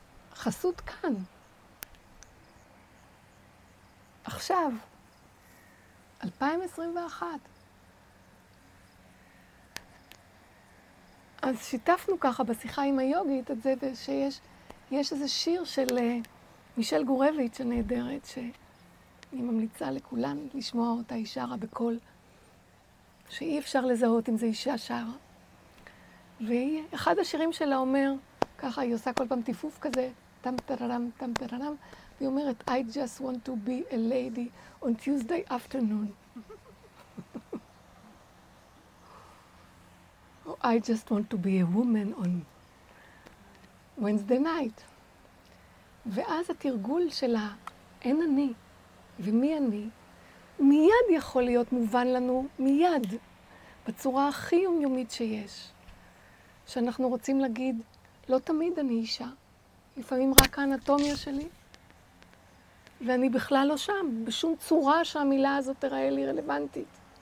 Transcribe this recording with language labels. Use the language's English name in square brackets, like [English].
[Hebrew] ובחסות כאן, עכשיו, 2021, אז שיתפנו ככה בשיחה עם היוגית את זה, שיש איזה שיר של מישל גורביץ' הנהדרת, שאני ממליצה לכולן לשמוע אותה, היא שרה בקול, שאי אפשר לזהות אם זה אישה שרה. ואחד השירים שלה אומר, ככה היא עושה כל פעם טיפוף כזה, טאם-טררם, טאם-טררם, והיא אומרת, [English] I just want to be a lady on Tuesday afternoon. Or I just want to be a woman on Wednesday night. [Hebrew] ואז התרגול שלה, אין אני ומי אני, מיד יכול להיות מובן לנו, מיד, בצורה הכי יומיומית שיש, שאנחנו רוצים להגיד, לא תמיד אני אישה, לפעמים רק האנטומיה שלי, ואני בכלל לא שם, בשום צורה שהמילה הזאת תראה לי רלוונטית.